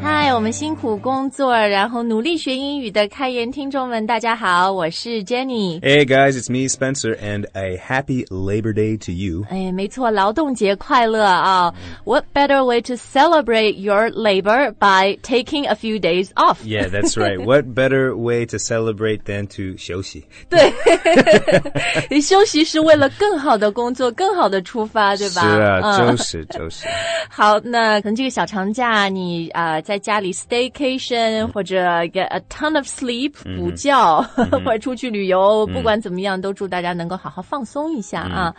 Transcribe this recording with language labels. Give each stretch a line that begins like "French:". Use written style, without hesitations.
Chinese: 我们辛苦工作然后努力学英语的开言听众们大家好我是 Jenny
English: Hey guys, it's me Spencer and a happy Labor Day to you
Chinese: 哎，没错劳动节快乐啊
English: What better way to celebrate your labor by taking a few days off? Yeah, that's right What better way to celebrate than to
Chinese: 休息对休息是为了更好的工作更好的出发对吧是啊就是好那可能这个小长假你在家里 staycation 或者
English: get a ton of sleep
Chinese: 补觉或者出去旅游不管怎么样都祝大家能够好好放松一下啊